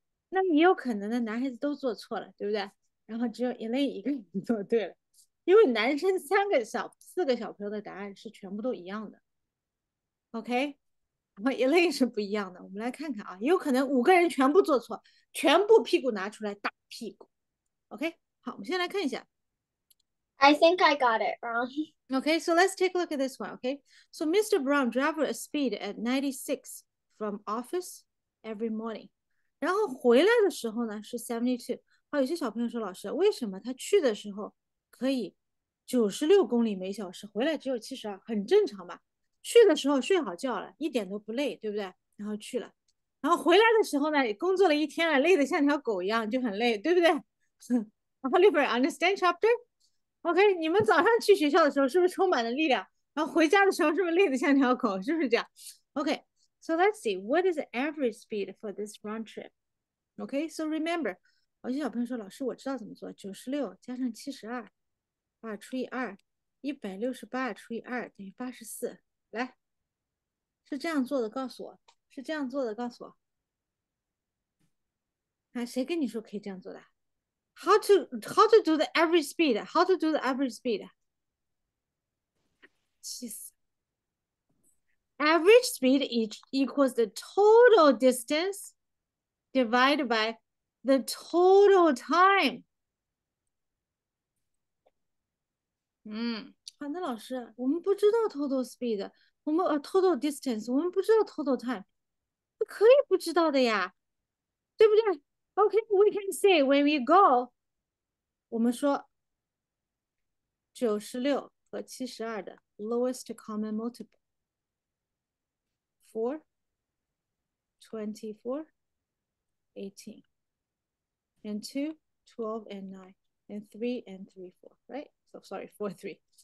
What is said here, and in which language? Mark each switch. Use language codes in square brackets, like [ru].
[zh] 那也有可能的，男孩子都做错了，对不对？然后只有 Elaine 一个人做对了，因为男生四个小朋友的答案是全部都一样的，OK。然后 Elaine 是不一样的，我们来看看啊，也有可能五个人全部做错，全部屁股拿出来打屁股，OK。好，我们先来看一下。 [en] I think I got it wrong. Okay, so let's take a look at this one, okay? So Mr. Brown drove at speed at 96 from office every morning. [zh] 然后回来的时候呢是72。有些小朋友说老师，为什么他去的时候可以96公里每小时，回来只有72，很正常嘛？去的时候睡好觉了，一点都不累，对不对？然后去了，然后回来的时候呢，工作了一天了，累得像条狗一样，就很累，对不对？ [en] Oliver, understand chapter? [zh] OK，你们早上去学校的时候是不是充满了力量？然后回家的时候是不是累得像条狗？是不是这样？ [en] OK，so、okay, let's see，what is the average speed for this round trip？OK，so、okay, remember， [zh] 有些小朋友说老师我知道怎么做，96加上72，二除以二，168除以二等于84。来，是这样做的，告诉我，是这样做的，告诉我。啊，谁跟你说可以这样做的？ [en] How to do the average speed? How to do the average speed? [zh] 气死！ [en] Average speed each equals the total distance divided by the total time. [zh] 好，那老师，我们不知道 total speed，我们total distance，我们不知道 total time，可以不知道的呀，对不对？OK， [en] we can say when we go。 [zh] 我们说96和72的 [en] lowest common multiple four twenty four eighteen and two twelve and nine and three and three four right? So sorry, four three.